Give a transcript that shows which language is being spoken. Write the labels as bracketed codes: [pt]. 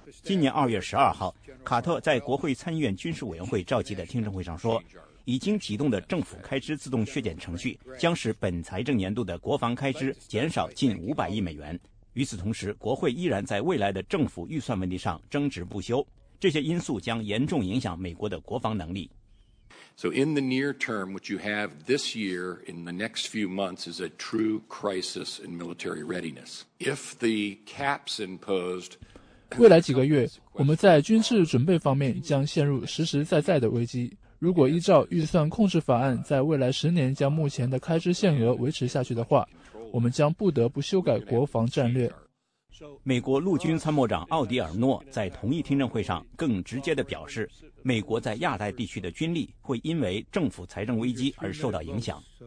[zh] 今年2月12号，卡特在国会参议院军事委员会召集的听证会上说，已经启动的政府开支自动削减程序将使本财政年度的国防开支减少近500亿美元。与此同时，国会依然在未来的政府预算问题上争执不休，这些因素将严重影响美国的国防能力。 [en] So in the near term, what you have this year in the next few months is a true crisis in military readiness. If the caps imposed, [zh] 未来几个月我们在军事准备方面将陷入实实在在的危机。如果依照预算控制法案在未来10年将目前的开支限额维持下去的话，我们将不得不修改国防战略。美国陆军参谋长奥迪尔诺在同一听证会上更直接地表示，美国在亚太地区的军力会因为政府财政危机而受到影响。